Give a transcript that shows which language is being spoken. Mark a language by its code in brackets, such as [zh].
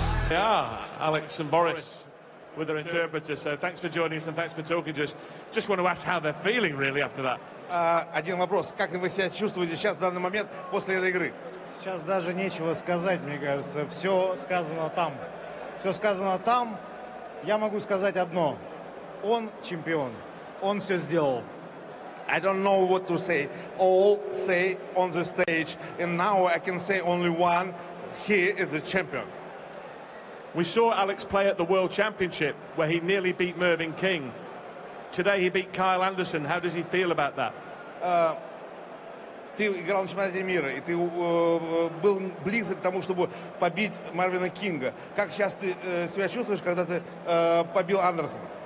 [en] Alex and Boris with their interpreter. So thanks for joining us and thanks for talking to us. Just want to ask how they're feeling really after that. [ru] Один вопрос. Как вы себя чувствуете сейчас, в данный момент, после этой игры? Сейчас даже нечего сказать, мне кажется. Все сказано там. Все сказано там. Я могу сказать одно. Он чемпион. Он все сделал. [en] I don't know what to say. All say on the stage. And now I can say only one. He is the champion. We saw Alex play at the World Championship, where he nearly beat Mervyn King. Today he beat Kyle Anderson. How does he feel about that? [ru] Ты играл на чемпионате мира, и ты был близок к тому, чтобы побить Мервина Кинга. Как сейчас ты себя чувствуешь, когда ты побил Андерсона?